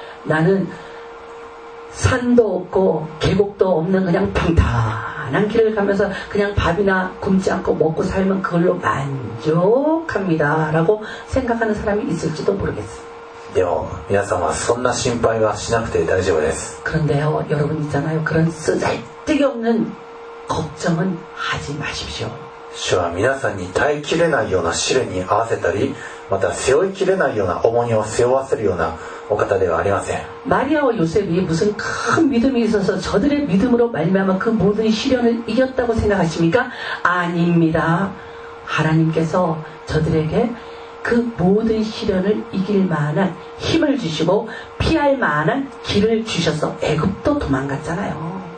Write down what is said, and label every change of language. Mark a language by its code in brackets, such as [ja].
[ko] 나는산도없고계곡도없는그냥평탄한길을가면서그냥밥이나굶지않고먹고살면그걸로만족합니다라고생각하는사람이있을지도모르겠어요 [ja] でも皆さんはそんな心配はしなくて大丈夫です。 [ko] 그런데요여러분있잖아요그런쓰잘데기없는걱정은하지마십시오 [ja] 主は皆さんに耐えきれないような試練に合わせたりまた背負いきれないような重荷を背負わせるようなお方ではありません。 [ko] 마리아와요셉이무슨큰믿음이있어서저들의믿음으로말미암아그모든시련을이겼다고생각하십니까아닙니다하나님께서저들에게그모든시련을이길만한힘을주시고피할만한길을주셔서애굽도도망갔잖아요